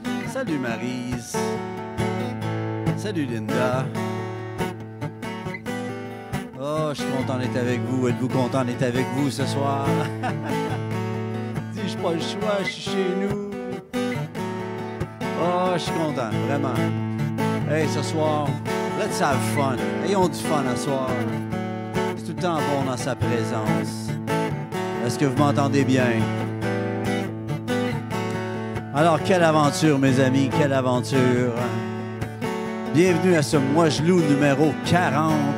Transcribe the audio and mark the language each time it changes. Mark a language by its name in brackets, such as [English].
[French] Salut, Maryse. Salut, Linda. Oh, je suis content d'être avec vous. Êtes-vous content d'être avec vous ce soir? Dis-je pas le choix, je suis chez nous. Oh, je suis content, vraiment. [English] Hey, [French] ce soir, [English] let's have fun. [French] Ayons du fun ce soir. C'est tout le temps bon dans sa présence. Est-ce que vous m'entendez bien? Alors, quelle aventure, mes amis, quelle aventure. Bienvenue à ce Moi je loue numéro 40.